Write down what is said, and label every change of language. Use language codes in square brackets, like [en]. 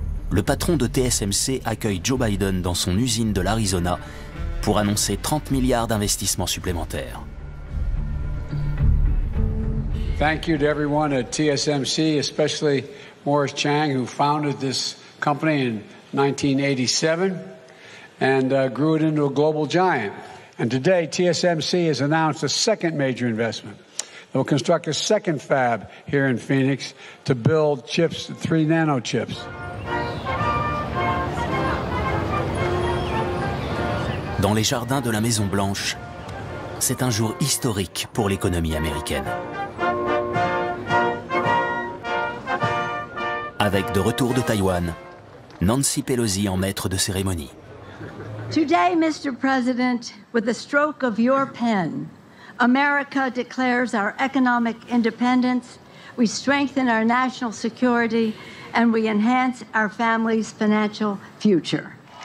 [fr] Le patron de TSMC accueille Joe Biden dans son usine de l'Arizona pour annoncer 30 milliards d'investissements supplémentaires. [en] Thank you to everyone at TSMC, especially Morris Chang, who founded this company in 1987 and grew it into a global giant. And today, TSMC has announced a second major investment. They will construct a second fab here in Phoenix to build chips, 3 nanochips. [fr] Dans les jardins de la Maison Blanche, c'est un jour historique pour l'économie américaine. Avec de retour de Taïwan, Nancy Pelosi en maître de cérémonie. [en] Today, Mr. President, with a stroke of your pen, America declares our economic independence, we strengthen our national security, and we enhance our family's financial future.